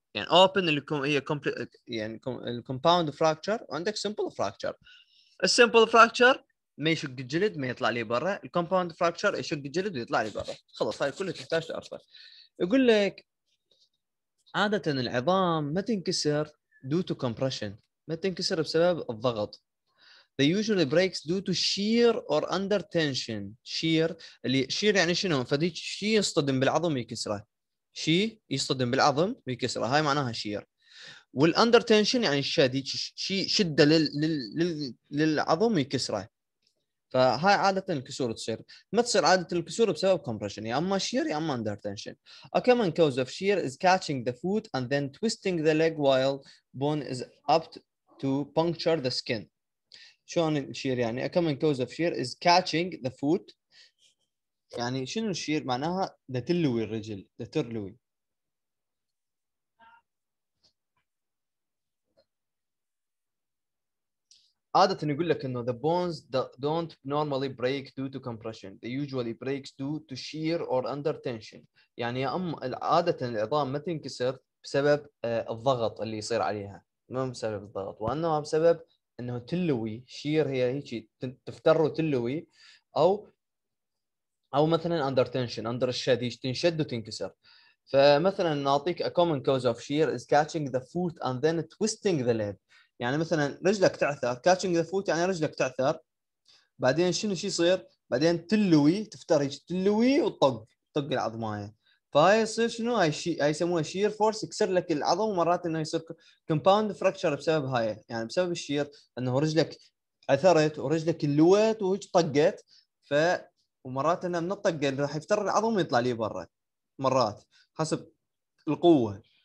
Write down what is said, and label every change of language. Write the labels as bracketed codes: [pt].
[ar] يعني open اللي هي يعني compound fracture وعندك simple fracture. simple fracture ما يشق الجلد ما يطلع لي برا، compound fracture يشق الجلد ويطلع لي برا، خلص هاي كله تحتاج تعرفه. يقول لك عادة العظام ما تنكسر [en] due to compression، [ar] ما تنكسر بسبب الضغط. [en] They usually breaks due to shear or under tension. [ar] Shear اللي shear يعني شنو؟ فدي شيء يصطدم بالعظم ويكسره. شيء يصطدم بالعظم ويكسره، هاي معناها shear. والunder tension يعني شادي شيء شدة للعظم ويكسره. فهاي عادة الكسور تصير. ما تصير عادة الكسور بسبب compression. يا أما shear يا أما under tension. [en] A common cause of shear is catching the foot and then twisting the leg while bone is apt to puncture the skin. [ar] شلون الشير يعني [en] a common cause of shear is catching the foot، [ar] يعني شنو الشير معناها ده تلوي الرجل، ده ترلوي عادة. يقول لك انه [en] the bones don't normally break due to compression، they usually breaks due to shear or under tension. [ar] يعني يا اما عادة العظام ما تنكسر بسبب الضغط اللي يصير عليها، مو بسبب الضغط وانما بسبب انه تلوي، شير هي هيك تفتر وتلوي، او مثلا اندر تنشن، اندر الشديد تنشد وتنكسر. فمثلا نعطيك [en] a common cause of shear is catching the foot and then twisting the leg. [ar] يعني مثلا رجلك تعثر، [en] catching the foot [ar] يعني رجلك تعثر، بعدين شنو شي يصير، بعدين تلوي تفتر هيك تلوي وتطق طق العظمايه، فهاي يصير شنو، هاي شيء يسموها شير فورس، يكسر لك العظم. ومرات انه يصير كومباوند فراكشر بسبب هاي، يعني بسبب الشير انه رجلك عثرت ورجلك اللوت وهيك طقت، ف ومرات انه من الطقه راح يفتر العظم ويطلع لي برا مرات حسب القوه.